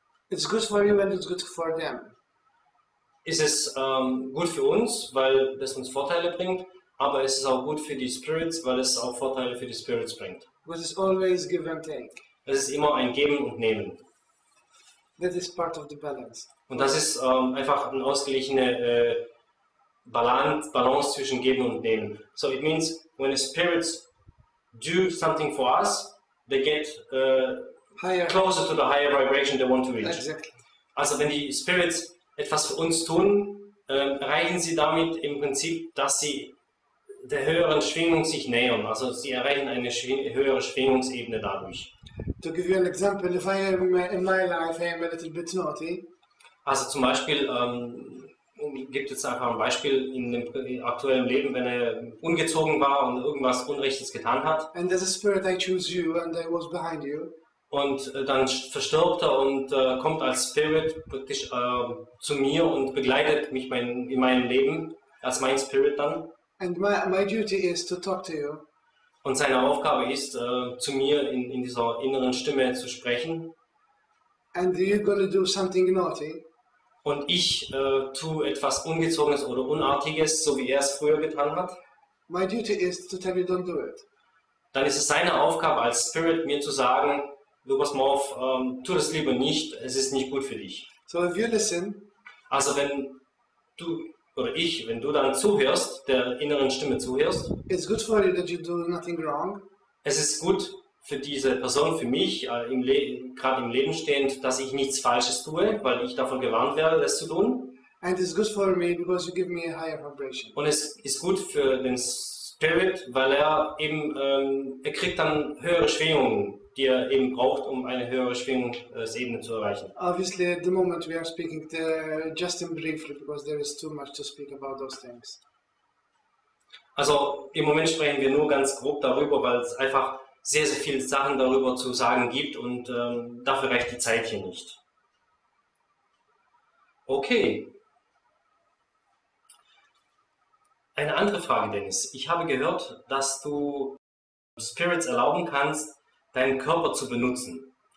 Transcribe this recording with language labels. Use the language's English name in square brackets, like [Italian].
[English] it's good for you and it's good for them. [German] Ist es gut für uns, weil das uns Vorteile bringt, aber es ist auch gut für die Spirits, weil es auch Vorteile für die Spirits bringt. [English] Which is always give and take. [German] Es ist immer ein Geben und Nehmen. [English] That is part of the balance. [German] Und das ist einfach eine ausgeglichene Balance zwischen Geben und Nehmen. [English] So it means, when the spirits do something for us, they get higher. Closer to the higher vibration they want to reach. Exactly. [German] Also wenn die Spirits etwas für uns tun, erreichen sie damit im Prinzip, dass sie der höheren Schwingung sich nähern. Also sie erreichen eine höhere Schwingungsebene dadurch. [English] To give you an example, if I am in my life, I am a little bit naughty. [German] Also zum Beispiel, gibt jetzt einfach ein Beispiel in dem aktuellen Leben, wenn er ungezogen war und irgendwas Unrechtes getan hat. [English] And there's a spirit, I choose you, and I was behind you. [German] Und dann verstirbt er und kommt als Spirit praktisch zu mir und begleitet mich in meinem Leben, als mein Spirit dann. [English] And my duty is to talk to you. [German] Und seine Aufgabe ist, zu mir in dieser inneren Stimme zu sprechen. [English] And you're gonna do something naughty. [German] Und ich tue etwas Ungezogenes oder Unartiges, so wie er es früher getan hat. [English] My duty is to tell you don't do it. [German] Dann ist es seine Aufgabe als Spirit, mir zu sagen, du pass mal auf, tu das lieber nicht, es ist nicht gut für dich. [English] So if you listen, [German] also wenn du oder ich, wenn du dann zuhörst, der inneren Stimme zuhörst, [English] it's good for you that you do nothing wrong. [German] Es ist gut für diese Person, für mich, gerade im Leben stehend, dass ich nichts Falsches tue, weil ich davon gewarnt werde, das zu tun. [English] And it's good for me because you give me a higher vibration. [German] Und es ist gut für den Spirit, weil er eben, er kriegt dann höhere Schwingungen, die er eben braucht, um eine höhere Schwingungsebene zu erreichen. [English] Obviously, at the moment we are speaking just in briefly, because there is too much to speak about those things. [German] Also im Moment sprechen wir nur ganz grob darüber, weil es einfach sehr, sehr viele Sachen darüber zu sagen gibt und dafür reicht die Zeit hier nicht. [English] Okay. [German] Eine andere Frage, Dennis. Ich habe gehört, dass du Spirits erlauben kannst, deinen Körper zu benutzen.